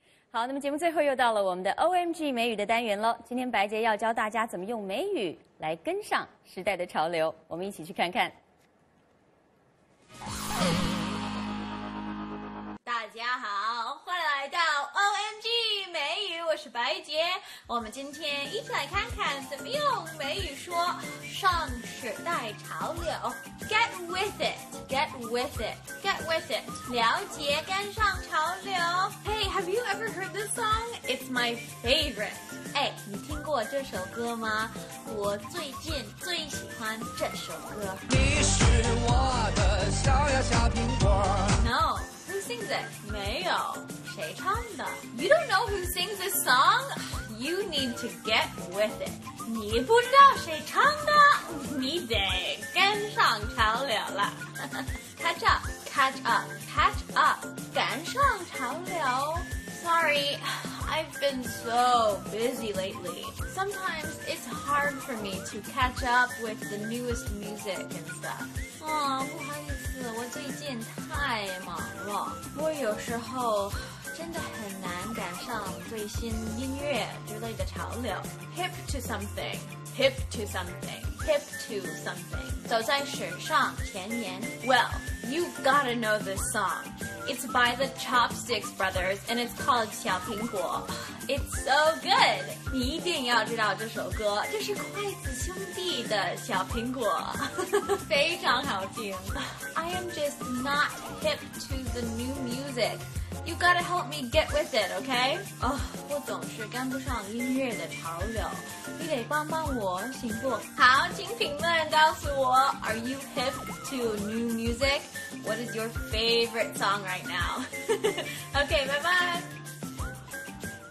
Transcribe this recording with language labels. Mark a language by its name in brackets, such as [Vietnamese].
[Chinese] 好，那么节目最后又到了我们的 OMG 美语的单元了。今天白洁要教大家怎么用美语来跟上时代的潮流，我们一起去看看。大家好，欢迎来到 OMG 美语，我是白洁。我们今天一起来看看怎么用美语说上时代潮流。 [English] Get with it, get with it, get with it, [Chinese] 了解跟上潮流。 [English] Hey, have you ever heard this song? It's my favorite. [Chinese] 哎，你听过这首歌吗？我最近最喜欢这首歌。你是我的小呀小苹果。 [English] No, who sings it? [Chinese] 没有，谁唱的？ [English] You don't know who sings this song? You need to get with it. [Chinese] 你不知道谁唱的，你得跟上潮流了。 [English] Catch up, catch up, catch up, [Chinese] 赶上潮流。 [English] Sorry, I've been so busy lately. Sometimes it's hard for me to catch up with the newest music and stuff. [Chinese] 哦，不好意思，我最近太忙了。我有时候真的很难赶上最新音乐之类的潮流。 [English] Hip to something, hip to something, hip to something. [Chinese] 走在时尚前沿。 [English] Well, you gotta know this song. It's by the Chopsticks Brothers, and it's called 小苹果. It's so good. [Chinese] 你一定要知道这首歌，这是筷子兄弟的小苹果，非常好听。 [English] I am just not hip to the new music. You gotta help me get with it, okay? [Chinese] Oh, 我总是跟不上音乐的潮流，你得帮帮我行不？好，请评论告诉我 [English] ，Are you hip to new music? What is your favorite song right now? Okay, bye bye.